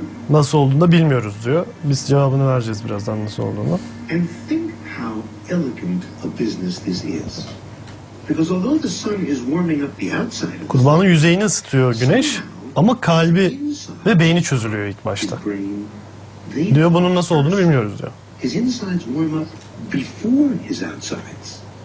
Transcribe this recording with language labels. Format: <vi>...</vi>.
<tr>Nasıl olduğunu da bilmiyoruz diyor. Biz cevabını vereceğiz birazdan nasıl olduğunu.</tr> <en>And think how elegant a business this is. Because although the sun is warming up the outside.</en> <tr>Kurbanın yüzeyini ısıtıyor güneş ama kalbi ve beyni çözülüyor ilk başta. Diyor bunun nasıl olduğunu bilmiyoruz diyor.</tr> <en>His insides warm up before his outsides.</en>